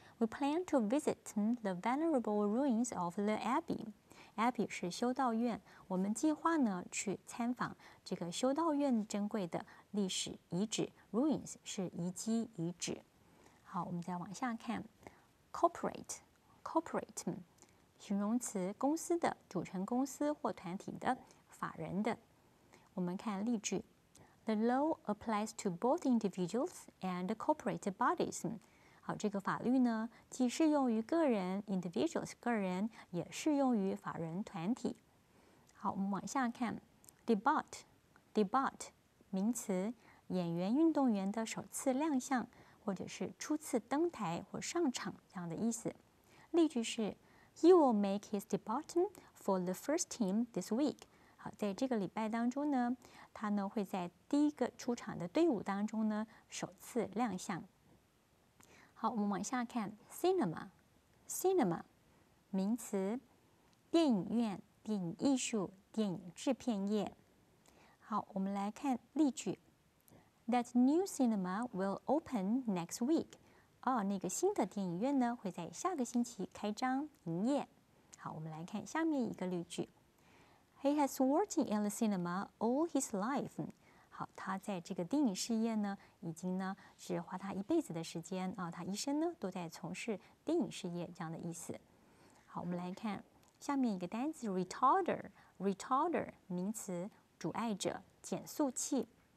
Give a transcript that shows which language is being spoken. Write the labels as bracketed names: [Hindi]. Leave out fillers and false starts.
[English] We plan to visit the venerable ruins of the abbey. [Chinese] Abbey 是修道院，我们计划呢去参访这个修道院珍贵的历史遗址。 Ruins 是遗迹遗址。好，我们再往下看。 Corporate 形容词，公司的，组成公司或团体的，法人的。我们看例句。 [English] The law applies to both individuals and corporate bodies. [Chinese] 好，这个法律呢既适用于个人 individuals 个人，也适用于法人团体。好，我们往下看。 Debut 名词，演员运动员的首次亮相，或者是初次登台或上场，这样的意思。例句是 [English] He will make his debut for the first team this week. [Chinese] 好，在这个礼拜当中呢，他呢会在第一个出场的队伍当中呢首次亮相。好，我们往下看。Cinema 名词，电影院，电影艺术，电影制片业。好，我们来看例句。 [English] That new cinema will open next week. [Chinese] 那个新的电影院呢会在下个星期开张营业。好，我们来看下面一个例句。 [English] He has worked in the cinema all his life. [Chinese] 好，他在这个电影事业呢已经呢是花他一辈子的时间、他一生呢都在从事电影事业，这样的意思。好，我们来看下面一个单词。 Retarder 名词，阻碍者，减速器。